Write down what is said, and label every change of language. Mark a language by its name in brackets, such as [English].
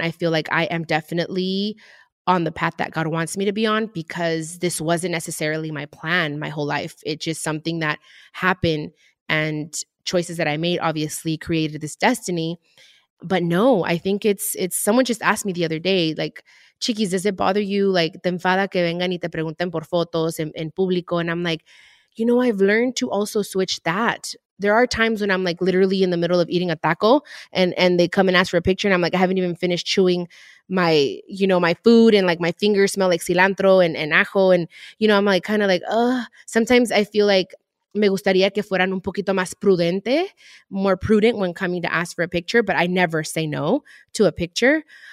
[English] I feel like I am definitely on the path that God wants me to be on because this wasn't necessarily my plan my whole life. It's just something that happened and choices that I made obviously created this destiny. But no, I think it's someone just asked me the other day, like, Chiquis, does it bother you? [Spanish] Like, te enfada que vengan y te pregunten por fotos en público. [English] And I'm like, you know, I've learned to also switch that. There are times when I'm like literally in the middle of eating a taco and they come and ask for a picture. And I'm like, I haven't even finished chewing my, you know, my food and like my fingers smell like cilantro and ajo. And, you know, I'm like, kind of like, sometimes I feel like [Spanish] me gustaría que fueran un poquito más prudente, [English] more prudent when coming to ask for a picture, but I never say no to a picture.